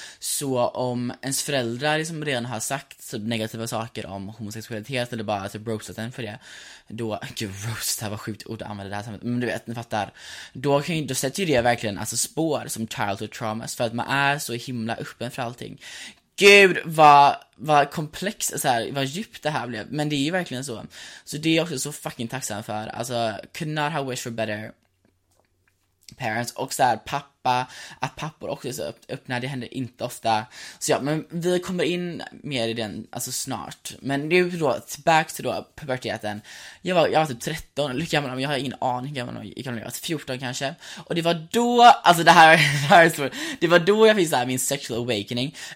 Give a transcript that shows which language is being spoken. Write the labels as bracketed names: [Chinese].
[Swedish] Så om ens föräldrar liksom redan har sagt typ negativa saker om homosexualitet eller bara typ roastat en för det, då, gud, roast, det var sjukt ord att använda det här samtidigt, men du vet, ni fattar, då sätter ju det verkligen alltså spår som [English] childhood traumas, [Swedish] för att man är så himla öppen för allting. Gud, vad komplext, så här, vad djupt det här blev. Men det är ju verkligen så. Så det är jag också så fucking tacksam för. [English] Alltså, could not have wished for better parents. [Swedish] Och så här, pappa, att pappor också är så öppna, det händer inte ofta. Så ja, men vi kommer in mer i den, alltså snart. Men nu då, tillbaka till då puberteten. Jag var typ 13, hur gammal, jag har ingen aning hur gammal jag var, 14 kanske. Och det var då, alltså det här är svårt. Det var då jag fick så här min [English] sexual awakening.